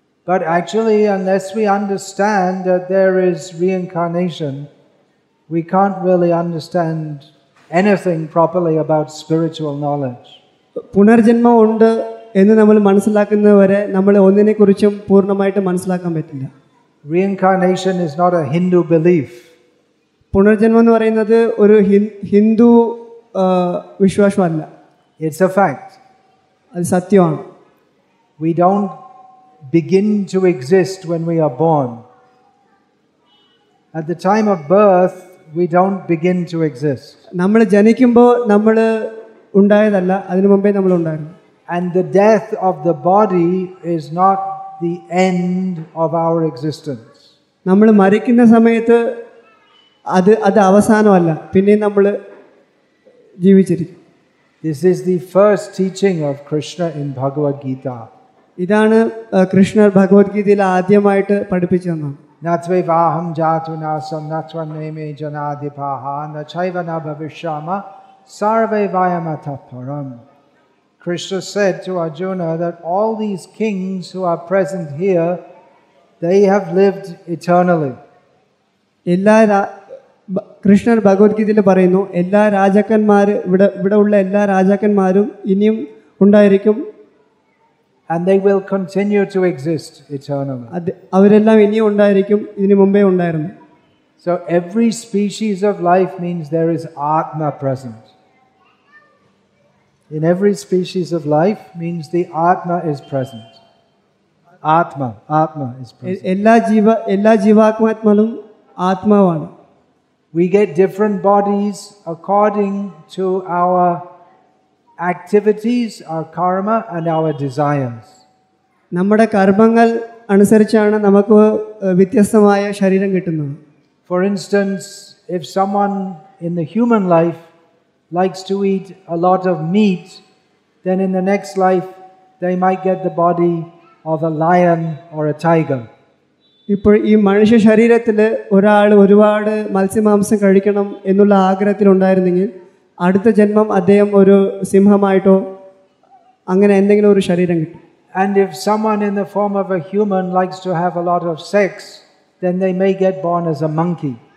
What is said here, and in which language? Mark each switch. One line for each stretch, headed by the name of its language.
English: But actually, unless we understand that there is reincarnation, we can't really understand anything properly about spiritual knowledge.
Malayalam: പുനർജന്മം ഉണ്ട് എന്ന് നമ്മൾ മനസ്സിലാക്കുന്നതുവരെ നമ്മൾ ഒന്നിനെക്കുറിച്ചും പൂർണ്ണമായിട്ട് മനസ്സിലാക്കാൻ പറ്റില്ല.
English: Reincarnation is not a Hindu belief.
Malayalam: പുനർജന്മം എന്ന് പറയുന്നത് ഒരു ഹിന്ദു വിശ്വാസമല്ല.
English: It's a fact.
Malayalam: അത് സത്യമാണ്.
English: We don't begin to exist when we are born. At the time of birth, we don't begin to exist.
Malayalam: നമ്മള് ജനിക്കുമ്പോൾ നമ്മൾ ഉണ്ടായതല്ല, അതിനു മുമ്പേ നമ്മൾ ഉണ്ടായിരുന്നു.
English: And the death of the body is not the end of our existence.
Malayalam: നമ്മൾ മരിക്കുന്ന സമയത്ത് അത് അവസാനമല്ല, പിന്നെ നമ്മൾ ജീവിച്ചിരിക്കും.
English: This is the first teaching of Krishna in Bhagavad Gita.
Malayalam: ഇതാണ് കൃഷ്ണ ഭഗവത്ഗീതയിൽ ആദ്യമായിട്ട് പഠിപ്പിച്ചതെന്ന്.
Sanskrit: നത്വൈ വാഹം ജാതു നാസം നത്വ നേമേ ജനാധിപാഹ ന ചൈവ ന ഭവിഷ്യാമ സർവൈ വയമഥ പരം.
English: Krishna said to Arjuna that all these kings who are present here they have lived eternally.
Malayalam: എല്ലാ കൃഷ്ണ ഭഗവത്ഗീതയിൽ പറയുന്നു, എല്ലാ രാജാക്കന്മാർ ഇവിടെ ഉള്ള എല്ലാ രാജാക്കന്മാരും ഇനിയും ഉണ്ടായിരിക്കും.
English: And they will continue to exist eternally.
Malayalam: അവരെല്ലാം ഇനിയും ഉണ്ടായിരിക്കും, ഇതിനു മുമ്പേ ഉണ്ടായിരുന്നു.
English: So every species of life means there is Atma present. In every species of life means the Atma is present. Atma is present.
Malayalam: എല്ലാ ജീവാത്മാക്കളും ആത്മാവാണ്.
English: We get different bodies according to our activities, our karma and our desires.
Malayalam: നമ്മുടെ കർമ്മങ്ങൾ അനുസരിച്ചാണ് നമുക്ക് വ്യത്യസ്തമായ ശരീരം കിട്ടുന്നത്.
English: For instance, if someone in the human life likes to eat a lot of meat, then in the next life they might get the body of a lion or a tiger.
Malayalam: ഇപ്പോൾ ഈ മനുഷ്യ ശരീരത്തിൽ ഒരാൾ ഒരുപാട് മത്സ്യമാംസം കഴിക്കണം എന്നുള്ള ആഗ്രഹത്തിലുണ്ടായിരുന്നെങ്കിൽ അടുത്ത ജന്മം അദ്ദേഹം ഒരു സിംഹമായിട്ടോ അങ്ങനെ എന്തെങ്കിലും ഒരു ശരീരം കിട്ടും.
English: And if someone in the form of a human likes to have a lot of sex, then they may get born as a monkey.